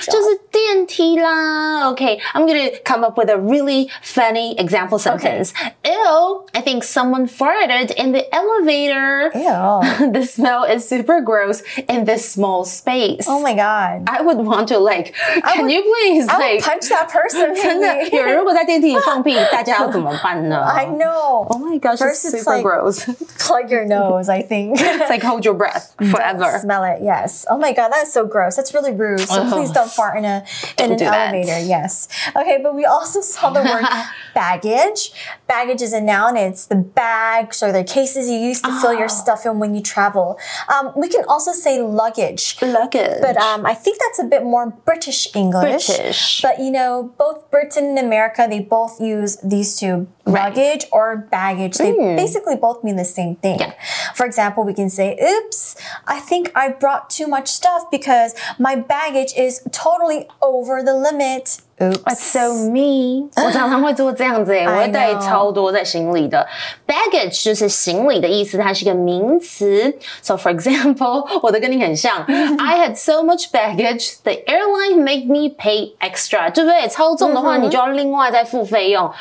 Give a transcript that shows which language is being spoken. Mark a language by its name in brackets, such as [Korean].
[Chinese] 就是电梯啦. [English] Okay, I'm going to come up with a really funny example sentence. Okay. Ew, I think someone farted in the elevator. Ew. The smell is super gross in this small space. Oh my god. I would want to like, I would punch that person. [Chinese] 真的，有人如果在电梯里放屁，大家要怎么办呢? [English] I know. Oh my gosh, it's super gross. Plug your nose, I think. It's like hold your breath forever. Don't smell it, yes. Oh my god, that's so gross. That's really rude. So please don't fart in an elevator. Yes. Okay, but we also saw the word baggage. Baggage is a noun. It's the bags or the cases you use to fill your stuff in when you travel. We can also say luggage. Luggage. But I think that's a bit more British English. British. But, you know, both Britain and America, they both use these two. Luggage or baggage. They basically both mean the same thing. Yeah. For example, we can say, oops, I think I brought too much stuff because my baggage is totally over the limit. Oops. So me. [Chinese] 我常常会做这样子耶，我带超多在行李的。 Baggage 就是行李的意思，它是一个名词。 [English] So for example, [Chinese] 我都跟你很像。 [English] I had so much baggage, the airline made me pay extra. [Chinese] 对不对？超重的话，你就要另外再付费用。